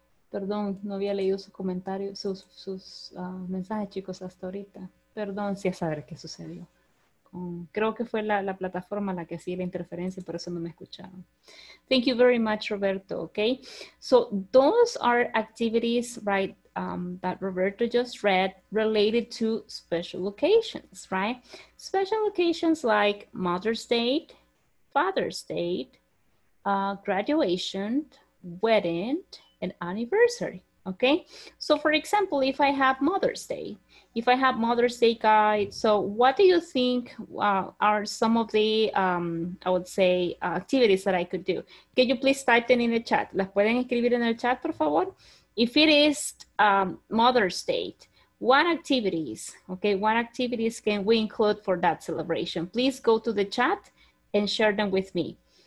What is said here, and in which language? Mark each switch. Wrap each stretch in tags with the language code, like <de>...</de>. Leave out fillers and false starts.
<es>Perdón, no había leído su comentario, sus mensajes, chicos, hasta ahorita. Perdón, sí, a saber qué sucedió. creo que fue la plataforma la que hacía la interferencia, por eso no me escucharon.</es> <en>Thank you very much, Roberto. Okay, so those are activities, right, that Roberto just read related to special occasions, right? Special occasions like Mother's Day, Father's Day, graduation, wedding, and anniversary. Okay, so for example, if I have Mother's Day, if I have Mother's Day guide, so what do you think are some of the, I would say, activities that I could do? Can you please type them in the chat?</en> <es>¿Las pueden escribir en el chat, por favor?</es> <en>If it is Mother's Day, what activities, okay, what activities can we include for that celebration? Please go to the chat and share them with me.</en>